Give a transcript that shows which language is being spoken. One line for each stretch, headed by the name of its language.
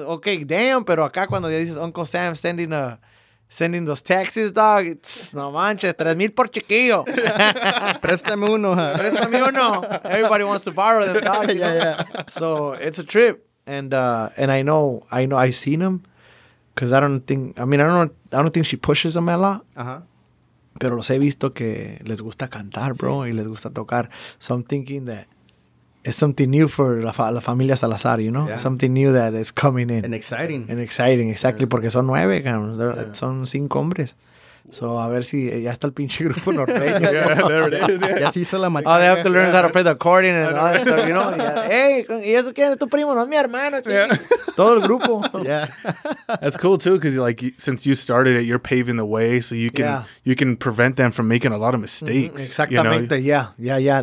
English: Okay, damn.
Spanish: Pero acá cuando ya dices
English: Uncle Sam sending a... Sending those taxes, dog.
Spanish: It's, no manches, 3,000 por chiquillo. Préstame uno, huh? Préstame uno.
English: Everybody wants to borrow them, dog. Yeah, yeah. So it's a trip. And I know I've seen them. Because I don't think she pushes them a lot.
Spanish: Pero los he visto que les gusta cantar, bro. Sí. Y les gusta tocar.
English: So I'm thinking that it's something new for la familia Salazar, you know? Yeah. Something new that is coming in. And exciting,
Spanish: exactly. Yeah. Porque son 9, cabrón. Yeah. Son 5 hombres. So, a ver si ya está el pinche grupo norteño.
English: Yeah, there it is.
Spanish: Ya se hizo la machaca.
English: Oh, they have to learn how to play the accordion and all that stuff, you know?
Spanish: Yeah. Hey, ¿y eso quién es tu primo? No es mi hermano. Yeah. Todo el grupo.
English: Yeah. That's cool, too, because, like, since you started it, you're paving the way, so you can prevent them from making a lot of mistakes. Mm-hmm. Exactamente, you know? Yeah.